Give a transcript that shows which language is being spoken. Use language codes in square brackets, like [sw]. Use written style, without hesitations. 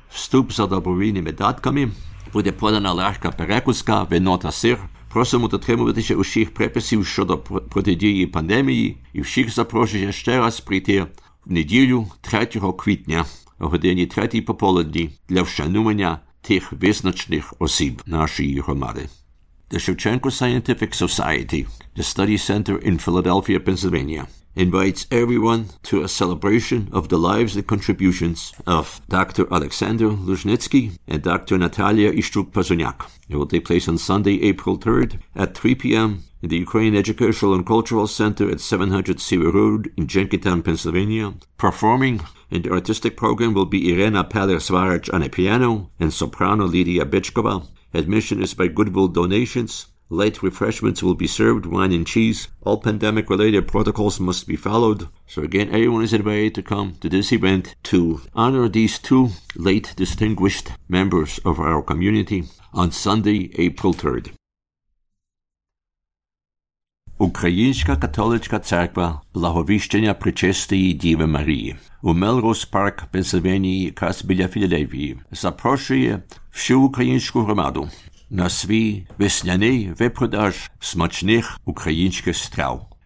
[uk] Вступ за добровільними датками, буде подана легка перекуска, вино та сир. Просимо дотримуватися усіх приписів щодо протидії пандемії і всіх запрошую ще раз прийти в неділю 3 квітня о годині 3 пополудні для вшанування тих визначних осіб нашої громади. [en] The Shevchenko Scientific Society, the study center in Philadelphia, Pennsylvania, invites everyone to a celebration of the lives and contributions of Dr. Alexander Luznitsky and Dr. Natalia Ishtuk-Pazunyak. It will take place on Sunday, April 3rd at 3 p.m. in the Ukrainian Educational and Cultural Center at 700 Cedar Road in Jenkintown, Pennsylvania. Performing in the artistic program will be Irena Peler-Svarich on a piano and soprano Lydia Bichkova. Admission is by goodwill donations. Late refreshments will be served, wine and cheese. All pandemic-related protocols must be followed. So again, everyone is invited to come to this event to honor these two late distinguished members of our community on Sunday, April 3rd. [uk] Українська католицька церква Благовіщення Пречистої Діви Марії у Мелроуз Парк, Пенсильванії, якраз біля Філадельфії, запрошує всю українську громаду на свій весняний випродаж смачних українських страв.